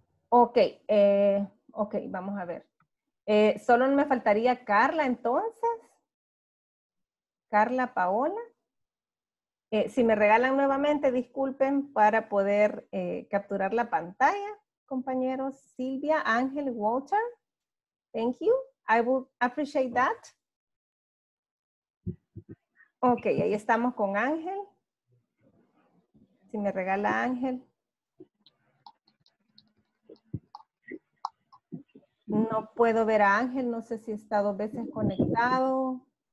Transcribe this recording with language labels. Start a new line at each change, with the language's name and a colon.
Spanish: Ok, okay, vamos a ver. Solo me faltaría Carla entonces. Carla, Paola, si me regalan nuevamente, disculpen, para poder capturar la pantalla, compañeros.
English: Silvia, Ángel, Walter, thank you, I would appreciate that.
Spanish: Ok, ahí estamos con Ángel, si me regala Ángel. No puedo ver a Ángel, no sé si está dos veces conectado.